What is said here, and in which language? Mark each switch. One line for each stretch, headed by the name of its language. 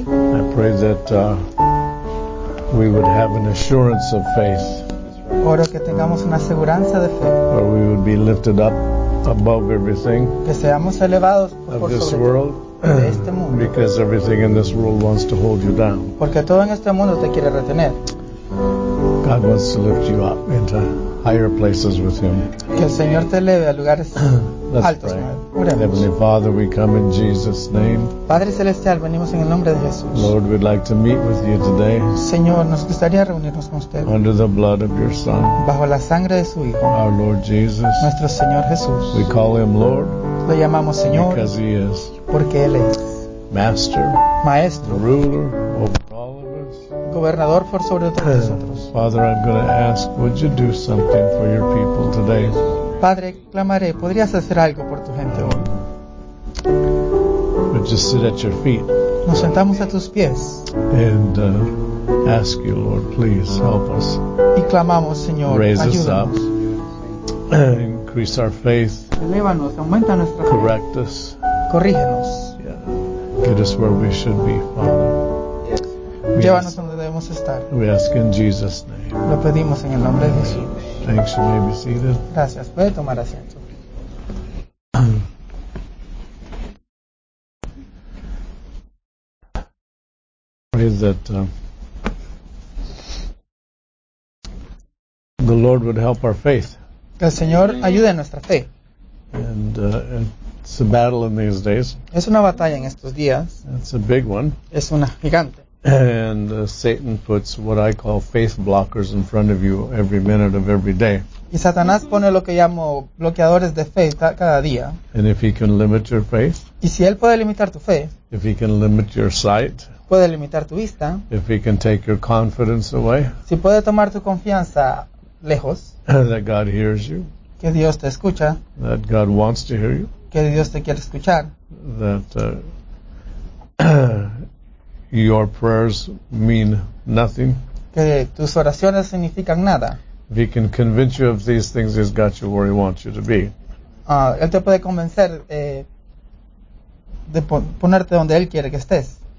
English: I pray that we would have an assurance of faith.
Spanish: Oro que tengamos una seguranza de fe.
English: Or we would be lifted up above everything.
Spanish: Que seamos elevados por
English: of this world.
Spanish: Este mundo.
English: Because everything in this world wants to hold you down.
Spanish: Porque todo en este mundo te quiere retener.
English: God wants to lift you up into higher places with Him.
Spanish: Que el Señor te eleve a lugares
English: Let's
Spanish: altos.
English: Pray. Heavenly Father, we come in Jesus' name.
Spanish: Padre celestial, venimos en el nombre de Jesús.
English: Lord, we'd like to meet with you today.
Spanish: Señor, nos gustaría reunirnos con usted.
English: Under the blood of your Son.
Spanish: Bajo la sangre de su hijo.
English: Our Lord Jesus.
Spanish: Nuestro Señor Jesús.
English: We call Him Lord.
Spanish: Lo llamamos Señor.
English: Because He is.
Spanish: Porque Él es.
English: Master.
Spanish: Maestro.
English: Ruler over all of us.
Spanish: Gobernador por sobre todos nosotros.
English: Father, I'm going to ask, would you do something for your people today?
Spanish: Padre, clamaré, ¿podrías hacer algo por tu gente hoy?
English: Would you sit at your feet?
Spanish: Nos sentamos a tus pies.
English: And ask you, Lord, please help us.
Spanish: Y clamamos, Señor,
English: raise
Spanish: ayúdanos.
English: Us up. Increase our faith.
Spanish: Elévanos, aumenta nuestra fe.
English: Correct us.
Spanish: Corrígenos.
English: Yeah. Get us where we should be, Father.
Spanish: Llévanos donde debemos estar.
English: We ask in Jesus' name.
Spanish: Lo pedimos en el nombre de Jesús.
English: Thanks, you may be seated.
Spanish: Gracias. Puede tomar asiento.
English: Pray that the Lord would help our faith.
Spanish: Que el Señor ayude a nuestra fe.
English: And it's a battle in these days.
Spanish: Es una batalla en estos días.
English: It's a big one.
Spanish: Es una gigante.
English: And Satan puts what I call faith blockers in front of you every minute of every day.
Spanish: Y Satanás pone lo que llamo bloqueadores de fe cada día.
English: And if he can limit your faith.
Spanish: Y si él puede limitar tu fe.
English: If he can limit your sight.
Spanish: Puede limitar tu vista.
English: If he can take your confidence away.
Spanish: Si puede tomar tu confianza lejos.
English: That God hears you.
Spanish: Que Dios te escucha.
English: That God wants to hear you.
Spanish: Que Dios te quiere escuchar.
English: That your prayers mean nothing.
Spanish: Que tus oraciones significan nada.
English: If he can convince you of these things, he's got you where he wants you to be.
Spanish: Él te puede convencer de ponerte donde él quiere que estés.